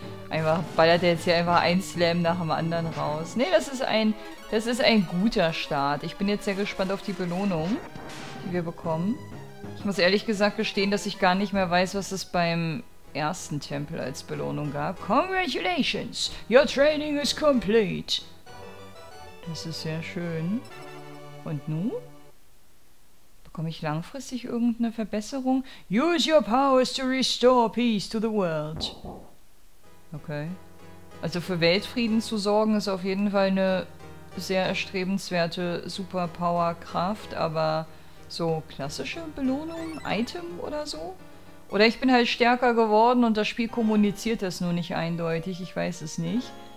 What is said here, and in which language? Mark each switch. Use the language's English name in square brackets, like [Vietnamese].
[German] Einfach ballert er jetzt hier einfach ein Slam nach dem anderen raus. Nee, das ist ein guter Start. Ich bin jetzt sehr gespannt auf die Belohnung, die wir bekommen. Ich muss ehrlich gesagt gestehen, dass ich gar nicht mehr weiß, was es beim ersten Tempel als Belohnung gab. [English] Congratulations, your training is complete. [German] Das ist sehr schön. Und nun? Bekomme ich langfristig irgendeine Verbesserung? [English] Use your powers to restore peace to the world. Okay. [German] Also für Weltfrieden zu sorgen ist auf jeden Fall eine sehr erstrebenswerte Superpower-Kraft, aber so klassische Belohnung, Item oder so? Oder ich bin halt stärker geworden und das Spiel kommuniziert das nur nicht eindeutig, ich weiß es nicht.